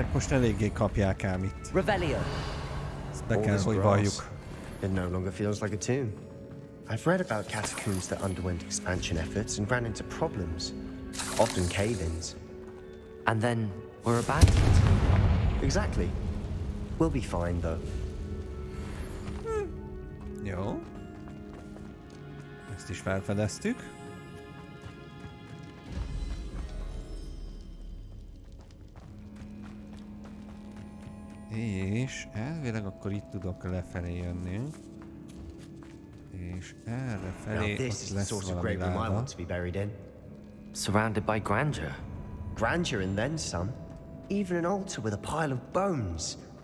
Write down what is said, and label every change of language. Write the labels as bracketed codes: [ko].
[hu] Eléggé kapják ám itt. Ezt be kell, hogy valljuk. [en] It no longer feels like a tomb. I've read about catacombs that underwent expansion efforts and ran into problems. Often cave-ins. And then were abandoned. Exactly. We'll be fine, though. [hu] Jó. Ezt is felfedeztük. És elvileg akkor itt tudok lefelé jönni. És erre felé lesz valami láda. [en] Surrounded by grandeur. Grandeur and then some. Even an altar with a pile of bones.